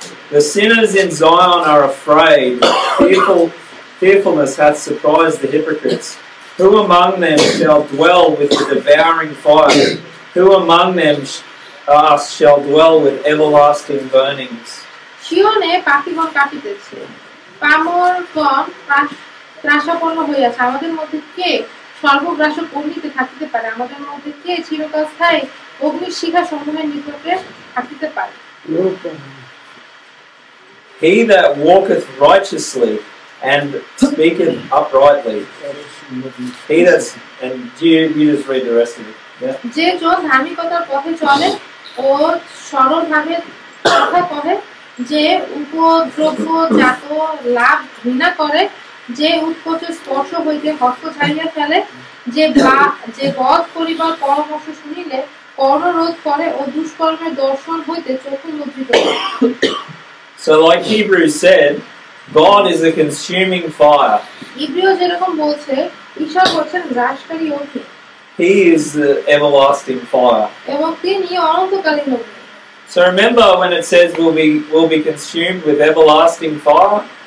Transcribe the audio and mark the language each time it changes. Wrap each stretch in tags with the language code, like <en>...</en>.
<en>The sinners in Zion are afraid. Fearfulness hath surprised the hypocrites. Who among them shall dwell with the devouring fire? Who among them shall dwell with everlasting burnings?</en> <bn>শিয়নে পাখিগণ কাঁপিতেছে, পামরগণ ত্রাসাপন্ন হইয়াছে। আমাদের মধ্যে কে সর্বগ্রাসক অগ্নিতে থাকিতে পারে? আমাদের মধ্যে কে চিরকাল স্থায়ী অগ্নির শিখা সমূহের নিকটে থাকিতে পারে?</bn> <en>He that walketh righteously and speaketh uprightly. He that's, and you just read the rest of it.</en> <bn>যে জন ধার্মিকতার পথে চলে ও সরল ভাবে কথা কহে, যে উপদ্রব জাত লাভ ঘৃণা করে, যে উৎকোচ স্পর্শ হইতে হস্ত ছাড়িয়া ফেলে, যে বধ করিবার পরামর্শ শুনিলে কর্ণরোধ করে ও দুষ্কর্মের দর্শন হইতে চক্ষু মুদ্রিত।</bn> <en>So like Hebrews said, God is a consuming fire.</en> <bn>Hebrew যেরকম বলছে, ঈশ্বর হচ্ছেন গ্রাসকারী অগ্নি।</bn> <en>He is the everlasting fire.</en> <bn>এবং তিনি অনন্তকালীন অগ্নি।</bn> <en>So remember when it says we'll be consumed with everlasting fire?</en>